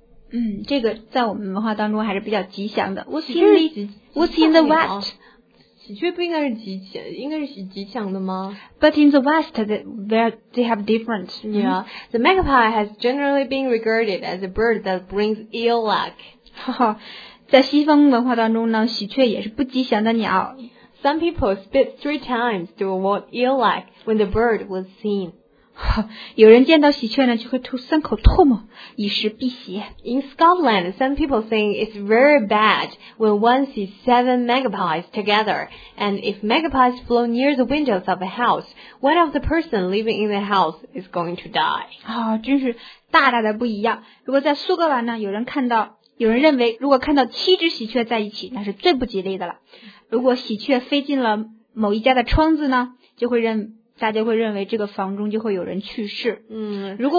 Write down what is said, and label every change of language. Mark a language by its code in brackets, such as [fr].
[zh] 嗯，这个在我们文化当中还是比较吉祥的。 [en] What's in the West? [zh] 喜鹊不应该是吉祥，应该是吉祥的吗？ [en] But in the West, they have different. Yeah, the magpie has generally been regarded as a bird that brings ill luck. [zh] 在西方文化当中呢，喜鹊也是不吉祥的鸟。 [en] Some people spit 3 times to avoid ill luck when the bird was seen. [zh] 有人见到喜鹊呢，就会吐3口唾沫，以示辟邪。 [en] In Scotland, some people think it's very bad when one sees 7 magpies together. And if magpies flow near the windows of a house, one of the person living in the house is going to die. [zh] 啊、哦，真是大大的不一样。如果在苏格兰呢，有人认为，如果看到7只喜鹊在一起，那是最不吉利的了。如果喜鹊飞进了某一家的窗子呢，就会认。大家会认为这个房中就会有人去世。嗯，